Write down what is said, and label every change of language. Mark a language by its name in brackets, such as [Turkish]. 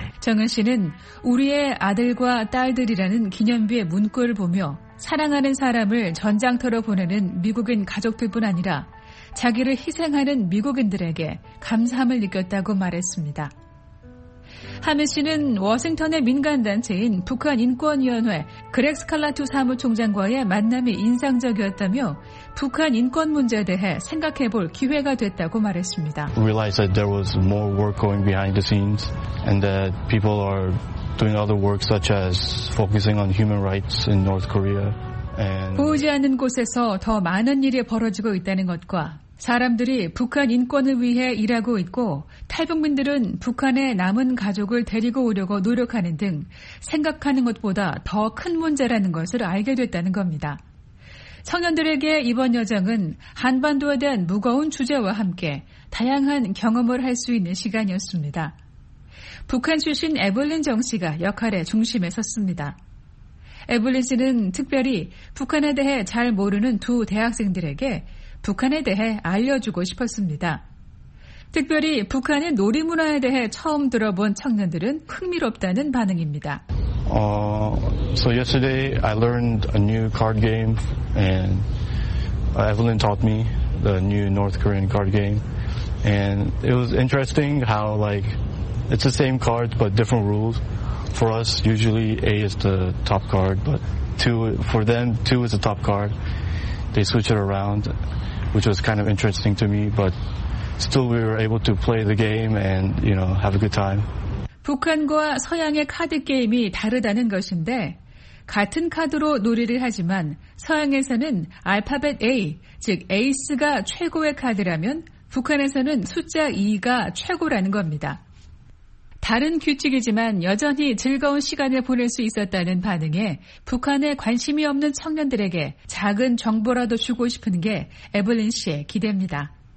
[Korean] 정은 씨는 우리의 아들과 딸들이라는 기념비의 문구를 보며 사랑하는 사람을 전장터로 보내는 미국인 가족들뿐 아니라 자기를 희생하는 미국인들에게 감사함을 느꼈다고 말했습니다. 하민 씨는 워싱턴의 민간단체인 북한인권위원회 그렉 스칼라투 사무총장과의 만남이 인상적이었다며 북한 인권 문제에 대해 생각해 볼 기회가 됐다고 말했습니다. [English] We realized that there was more work going behind the scenes and that people are doing other work such as focusing on human rights in North Korea. And [Korean] 보이지 않는 곳에서 더 많은 일이 벌어지고 있다는 것과 사람들이 북한 인권을 위해 일하고 있고 탈북민들은 북한의 남은 가족을 데리고 오려고 노력하는 등 생각하는 것보다 더 큰 문제라는 것을 알게 됐다는 겁니다. 청년들에게 이번 여정은 한반도에 대한 무거운 주제와 함께 다양한 경험을 할 수 있는 시간이었습니다. 북한 출신 에블린 정 씨가 역할의 중심에 섰습니다. 에블린 씨는 특별히 북한에 대해 잘 모르는 두 대학생들에게 북한에 대해 알려주고 싶었습니다. 특별히 북한의 놀이문화에 대해 처음 들어본 청년들은 흥미롭다는 반응입니다. [English] So yesterday I learned a new card game and Evelyn taught me the new North Korean card game and it was interesting how like it's the same card but different rules. For us usually A is the top card but for them 2 is the top card. They switch it around. Which was kind of interesting to me, but still we were able to play the game and, you know, have a good time. [Korean] 북한과 서양의 카드 게임이 다르다는 것인데, 같은 카드로 놀이를 하지만 서양에서는 알파벳 A, 즉 에이스가 최고의 카드라면 북한에서는 숫자 2가 최고라는 겁니다. 다른 규칙이지만 여전히 즐거운 시간을 보낼 수 있었다는 반응에 북한에 관심이 없는 청년들에게 작은 정보라도 주고 싶은 게 에블린 씨의 기대입니다.